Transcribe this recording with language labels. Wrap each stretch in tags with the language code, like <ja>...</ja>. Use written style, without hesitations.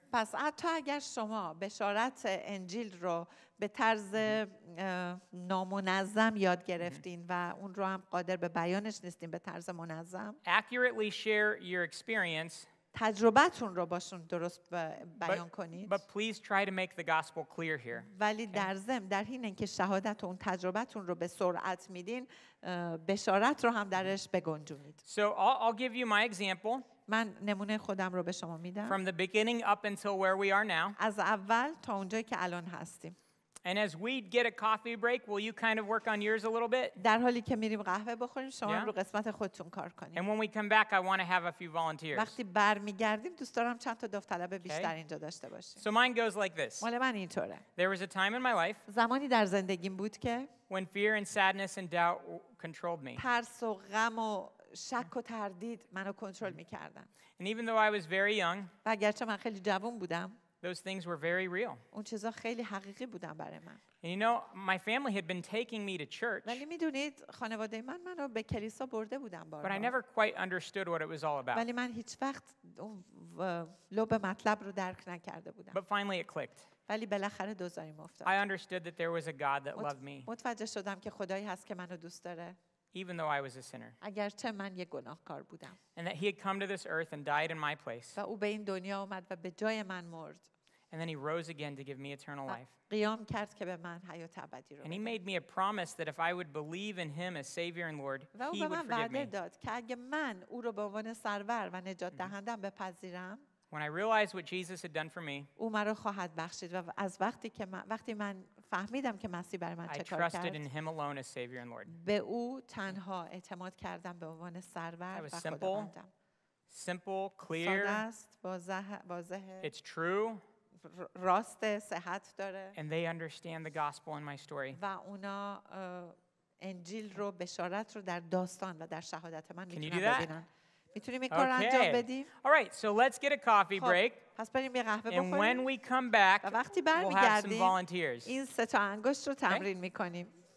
<fa>پس حتی اگر شما بشارت انجیل رو به طرز نامنظم یاد گرفتین و اون رو هم قادر به بیانش نیستین به طرز منظم.</fa> <en>Accurately share your experience.</en> <fa>تجربتون رو باشون درست بیان کنید.</fa> <en>But please try to make the gospel clear here.</en> <fa>ولی در ضمن در حین اینکه شهادت اون تجربتون رو به سرعت میدین بشارت رو هم درش بگنجونید.</fa> <en>So I'll give you my example.</en> <fa>من نمونه خودم رو به شما میدم.</fa> <en>From the beginning up until where we are now.</en> <fa>از اول تا اونجایی که الان هستیم.</fa> <en>And as we'd get a coffee break, will you kind of work on yours a little bit?</en> <fa>در حالی که میریم قهوه بخوریم شما رو قسمت خودتون کار کنیم.</fa> <en>And when we come back, I want to have a few volunteers.</en> <fa>وقتی برمیگردیم دوست دارم چند تا داوطلب بیشتر اینجا داشته باشیم.</fa> <en>So mine goes like this.</en> <fa>مال من اینطوره.</fa> <en>There was a time in my life.</en> <fa>زمانی در زندگیم بود که</fa> <en>when fear and sadness and doubt controlled me.</en> <fa>ترس و غم و شک و تردید منو کنترل می‌کردن.</fa> <en>And even though I was very young.</en> <fa>و اگرچه من خیلی جوان بودم.</fa> <en>Those things were very real.</en> <fa>اون چیزا خیلی حقیقی بودن برای من.</fa> <en>And you know, my family had been taking me to church.</en> <fa>ولی میدونید خانواده من منو به کلیسا برده بودن بارها.</fa> <en>But I never quite understood what it was all about.</en> <fa>ولی من هیچ وقت لب مطلب رو درک نکرده بودم.</fa> <en>But finally it clicked.</en> <fa>ولی بالاخره دوزاریم افتاد.</fa> <en>I understood that there was a God that loved me.</en> <fa>متوجه شدم که خدایی هست که منو دوست داره.</fa> <en>Even though I was a sinner.</en> <fa>اگرچه من یک گناهکار بودم.</fa> <en>And that he had come to this earth and died in my place.</en> <fa>و او به این دنیا آمد و به جای من مرد.</fa> <en>And then he rose again to give me eternal life.</en> <fa>قیام کرد که به من حیات ابدی رو.</fa> <en>And he made me a promise that if I would believe in him as Savior and Lord, he would forgive me.</en> <fa>و به من وعده داد که اگه من او رو به عنوان سرور و نجات دهندم بپذیرم.</fa> <en>When I realized what Jesus had done for me.</en> <fa>او مرا خواهد بخشید و از وقتی که من وقتی من فهمیدم که مسیح برای من چه کار کرد.</fa> <en>I trusted in him alone as Savior and Lord.</en> <fa>به او تنها اعتماد کردم به عنوان سرور و خداوندم.</fa> <en>Simple, clear.</en> <fa>ساده است، واضح.</fa> <en>It's true.</en> <fa>راست صحت داره.</fa> <en>And they understand the gospel in my story.</en> <fa>و اونا انجیل رو بشارت رو در داستان و در شهادت من میتونن ببینن.</fa> <en>Okay. All right, so let's get a coffee break. And when we come back, we'll have some volunteers.</en> <fa>این سه تا انگشت رو تمرین می‌کنیم.</fa>